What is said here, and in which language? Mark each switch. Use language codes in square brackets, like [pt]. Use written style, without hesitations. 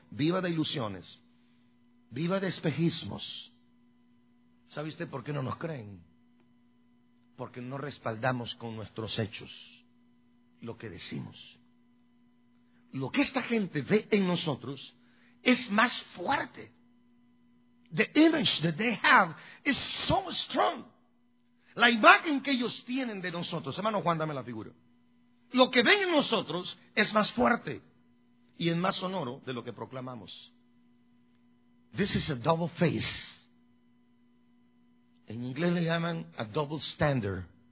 [es] Viva de ilusiones. Viva de espejismos. ¿Sabe usted por qué no nos creen? Porque no respaldamos con nuestros hechos lo que decimos. Lo que esta gente ve en nosotros es más fuerte. [en] The image that they have is so strong. [es] La imagen que ellos tienen de nosotros, hermano Juan, dame la figura. Lo que ven en nosotros es más fuerte y es más sonoro de lo que proclamamos. [en] This is a double face. [es] En inglés le llaman [en] a double standard.